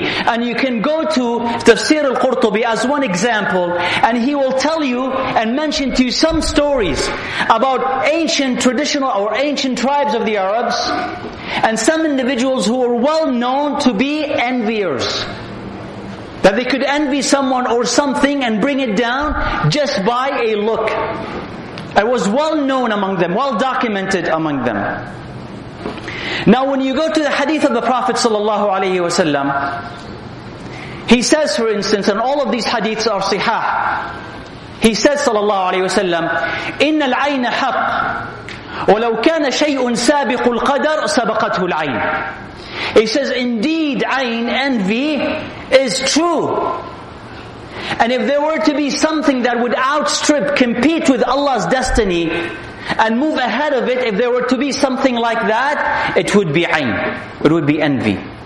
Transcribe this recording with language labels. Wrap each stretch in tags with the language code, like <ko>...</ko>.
<en>And you can go to Tafsir al-Qurtubi as one example, and he will tell you and mention to you some stories about ancient traditional or ancient tribes of the Arabs and some individuals who were well known to be enviers, that they could envy someone or something and bring it down just by a look. It was well known among them, well documented among them. Now when you go to the hadith of the Prophet sallallahu alayhi wa sallam, he says, for instance, and all of these hadiths are sihah, He says,</en> <ar>sallallahu alayhi wa sallam, إن العين حق ولو كان شيء سابق القدر سبقته العين.</ar> <en>He says, indeed, عين, envy, is true. And if there were to be something that would outstrip, compete with Allah's destiny, and move ahead of it, if there were to be something like that, it would be عين. It would be envy.</en>